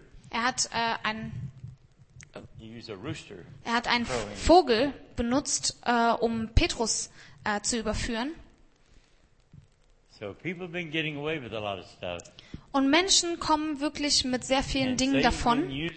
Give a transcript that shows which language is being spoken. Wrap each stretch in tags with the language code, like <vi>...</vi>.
<de>Er hat einen Vogel benutzt, um Petrus zu überführen.</de> <en>So people have been getting away with a lot of stuff.</en> <de>Und Menschen kommen wirklich mit sehr vielen Dingen davon.</de>